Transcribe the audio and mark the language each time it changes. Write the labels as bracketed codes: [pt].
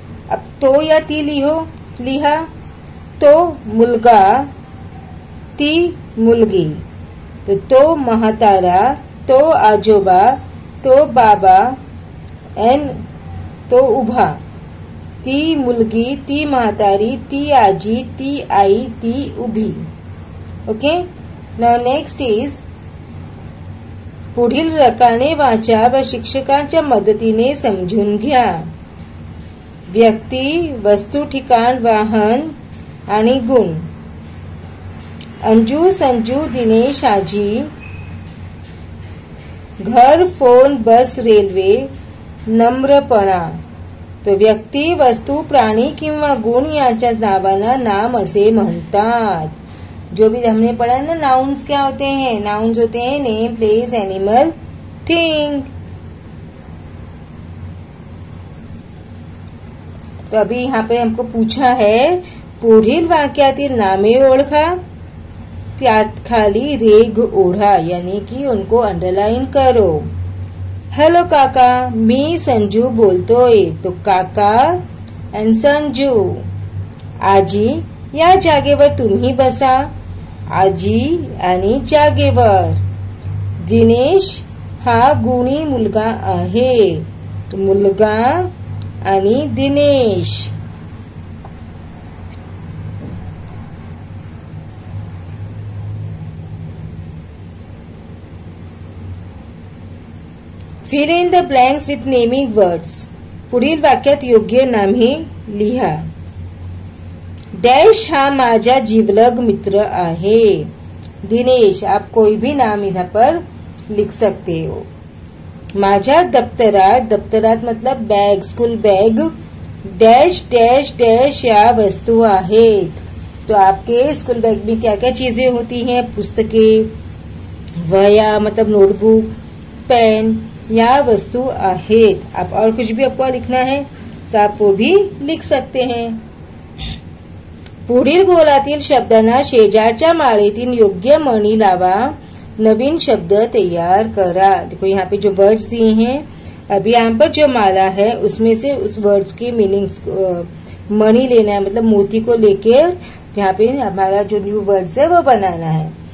[mr] अब तो या ती लिहो लिहा। तो मुलगा ती मुलगी, तो महातारा तो आजोबा तो बाबा एन तो उभा, ती मुलगी ती महातारी ती आजी ती आई ती उभी। [en] okay now next is [mr] पुढील रकाने वाचा व शिक्षकांच्या मदतीने समजून घ्या। व्यक्ती वस्तू ठिकाण वाहन आणि गुण। अंजू संजू दिनेश आजी, घर फोन बस रेल्वे नम्रपणा। तो व्यक्ती वस्तू प्राणी किंवा गुण यांच्या नावांना नाम असे म्हणतात। [hi] जो भी हमने पढ़ा है ना नाउन्स क्या होते हैं, नाउन्स होते हैं नेम प्लेस एनिमल थिंग। तो अभी यहाँ पे हमको पूछा है [mr] पुढील वाक्यातील नामे ओळखा त्यात खाली रेग ओढा [hi] यानी कि उनको अंडरलाइन करो। [mr] हेलो काका मी संजू बोलतोय, तो काका एंड संजू। आजी या जागेवर तुम्ही बसा, आजी आणि जागेवर। दिनेश हा गुणी मुलगा आहे, मुलगा आणि दिनेश। [en] Fill in the blanks with naming words. [mr] पुढील वाक्यात योग्य नाम ही लिहा. डैश हा माझा जीवलग मित्र आहे. [hi] दिनेश आप कोई भी नाम यहाँ पर लिख सकते हो. [mr] माझा दफ्तरात, दफ्तरात मतलब bag, school bag, dash dash dash या वस्तु आहेत. [hi] तो आपके स्कूल बैग में क्या क्या चीजें होती हैं? [mr] पुस्तके, वया मतलब नोटबुक, पेन या वस्तु आहेत. [hi] आप और कुछ भी आपको लिखना है तो आप वो भी लिख सकते हैं. [mr] पुढील गोलातील शब्दांना शेजारच्या माळेतील योग्य मणी लावा. नवीन शब्द तैयार करा. [hi] देखो यहाँ पे जो वर्ड्स दिए हैं, अभी यहाँ पर जो माला है उसमें से उस वर्ड्स की मीनिंग्स मणी लेना है, मतलब मोती को लेकर यहाँ पे हमारा जो न्यू वर्ड्स है वो बनाना है.